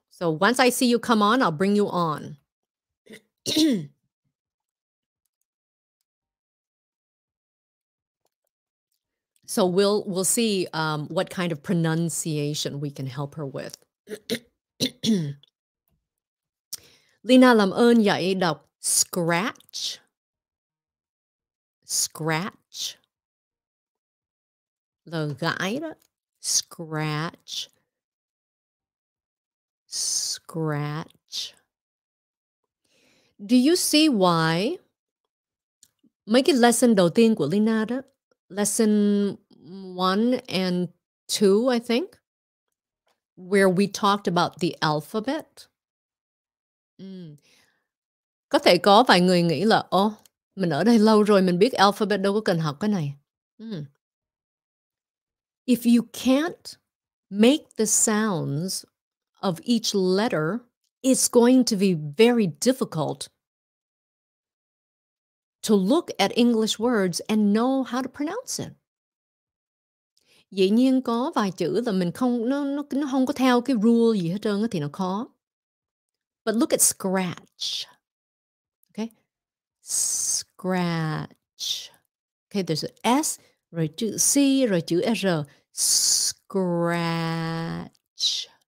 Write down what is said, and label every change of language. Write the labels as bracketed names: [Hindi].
[English] So once I see you come on, I'll bring you on. So we'll see what kind of pronunciation we can help her with. [Vietnamese] Lina làm ơn dạy đọc scratch. [English] Scratch. [Vietnamese] Là gãi đó. Scratch. [English] Scratch. Do you see why? [Vietnamese] Mấy cái lesson đầu tiên của Lina đó. [English] Lesson 1 and 2, I think. Where we talked about the alphabet. [Vietnamese] Có thể có vài người nghĩ là mình ở đây lâu rồi, mình biết alphabet, đâu có cần học cái này. [English] If you can't make the sounds of each letter, it's going to be very difficult to look at English words and know how to pronounce it. [Vietnamese] Dĩ nhiên có vài chữ là mình không, nó không có theo cái rule gì hết trơn thì nó khó. [English] But look at scratch. Okay? Scratch. Okay, there's an S, [Vietnamese] rồi chữ C, rồi chữ R. [English] Scratch.